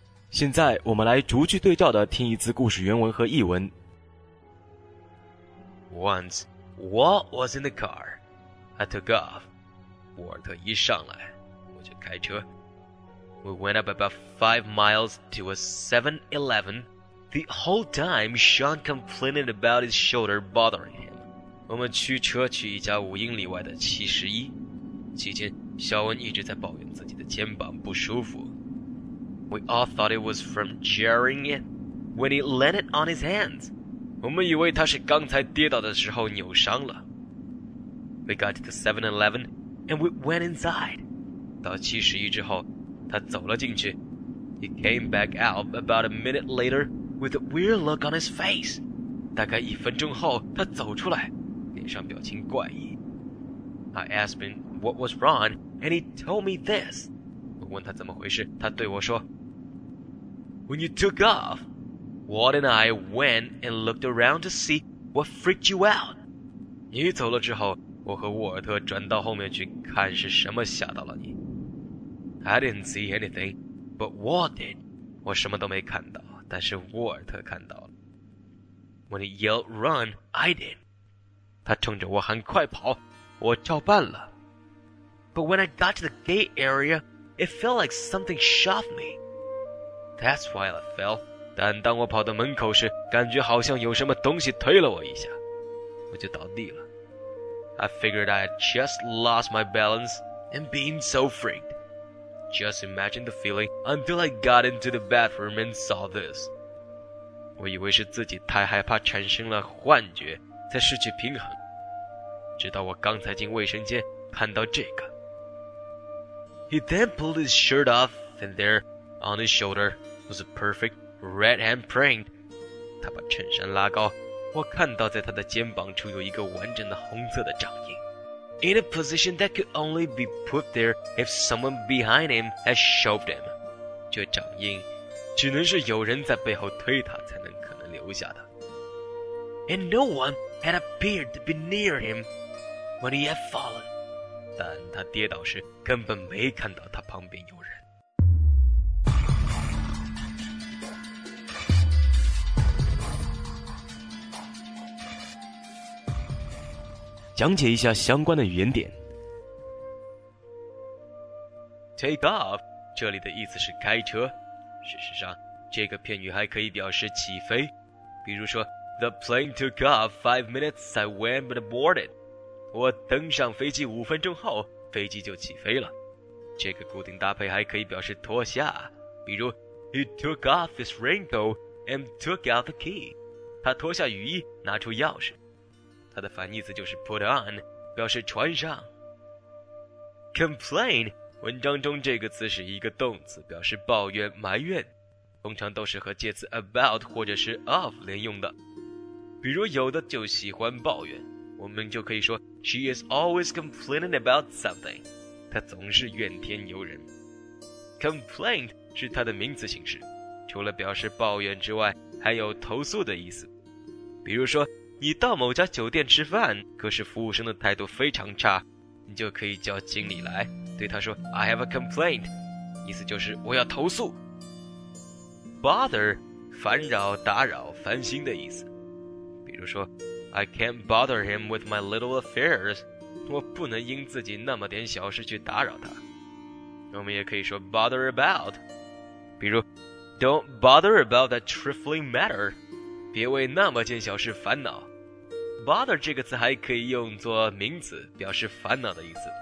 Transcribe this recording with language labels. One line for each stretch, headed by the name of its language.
Chinese: 现在我们来逐句对照的听一次故事原文和译文。
English: Once, Walt was in the car. I took off.
Chinese: 沃尔特一上来，我就开车。
English: We went up about 5 miles to a 7-Eleven. The whole time, Sean complained about his shoulder bothering him.
Chinese: 我们驱车去一家5英里外的71。期间，肖恩一直在抱怨自己的肩膀不舒服。
English: We all thought it was from jarring it when he landed on his hands.
Chinese: 我们以为他是刚才跌倒的时候扭伤了。
English: We got to the 7-Eleven and we went inside.
Chinese: 到71之后他走了进去。
English: He came back out about a minute later with a weird look on his face.
Chinese: 大概1分钟后他走出来，脸上表情怪异。
English: I asked him what was wrong and he told me this.
Chinese: 问他怎么回事，他对我说，
English: When you took off, Walt and I went and looked around to see what freaked you out.
Chinese: 你走了之后，我和沃尔特转到后面去看是什么吓到了你。
English: I didn't see anything, but Walt did.
Chinese: 我什么都没看到，但是沃尔特看到了。
English: When he yelled run, I did.
Chinese: 他冲着我喊快跑，我照办了。
English: But when I got to the gate area,It felt like something shoved me. That's why I fell.
Chinese: 但当我跑到门口时，感觉好像有什么东西推了我一下，我就倒地了。
English: I figured I had just lost my balance and being so freaked. Just imagine the feeling until I got into the bathroom and saw this.
Chinese: 我以为是自己太害怕产生了幻觉，才失去平衡。直到我刚才进卫生间看到这个。
English: He then pulled his shirt off, and there, on his shoulder, was a perfect red handprint.
Chinese: 他把衬衫拉高，我看到在他的肩膀处有一个完整的红色的掌印。
English: In a position that could only be put there if someone behind him had shoved him.
Chinese: 这掌印只能是有人在背后推他才能可能留下的。
English: And no one had appeared to be near him when he had fallen.
Chinese: 但他跌倒时根本没看到他旁边有人。讲解一下相关的语言点。 Take off 这里的意思是开车，事实上这个片语还可以表示起飞，比如说
English: The plane took off 5 minutes I went but boarded，
Chinese: 我登上飞机五分钟后飞机就起飞了。这个固定搭配还可以表示脱下，比如
English: He took off his raincoat and took out the key，
Chinese: 他脱下雨衣拿出钥匙。它的反义词就是 put on， 表示穿上。
English: complain，
Chinese: 文章中这个词是一个动词，表示抱怨、埋怨，通常都是和介词 about 或者是 of 连用的。比如有的就喜欢抱怨，我们就可以说
English: she is always complaining about something，
Chinese: 她总是怨天尤人。 complaint 是它的名词形式，除了表示抱怨之外，还有投诉的意思。比如说你到某家酒店吃饭，可是服务生的态度非常差，你就可以叫经理来，对他说
English: I have a complaint，
Chinese: 意思就是我要投诉。
English: bother，
Chinese: 烦扰、打扰、烦心的意思。比如说
English: I can't bother him with my little affairs，
Chinese: 我不能因自己那么点小事去打扰他。我们也可以说 bother about， 比如
English: Don't bother about that trifling matter，
Chinese: 别为那么件小事烦恼。bother 这个词还可以用作名词，表示烦恼的意思。